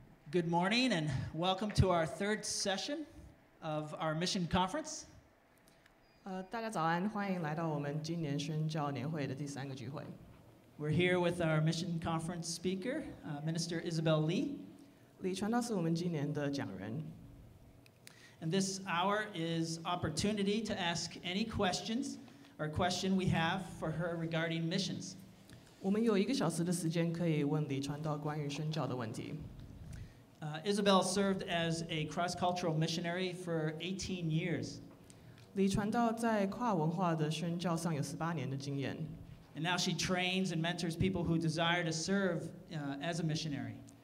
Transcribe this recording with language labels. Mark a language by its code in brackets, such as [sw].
[en] Good morning and welcome to our third session of our mission conference. [zh] 大家早安, 欢迎来到我们今年宣教年会的第三个聚会。 [en] We're here with our mission conference speaker, Minister Isabel Lee. [zh] 李传道是我们今年的讲人。 [en] And this hour is opportunity to ask any questions or question we have for her regarding missions. [zh] 我们有一个小时的时间可以问李传道关于宣教的问题。 [en] Isabel served as a cross-cultural missionary for 18 years. [zh] 李传道在跨文化的宣教上有18年的经验。 [en] And now she trains and mentors people who desire to serve as a missionary.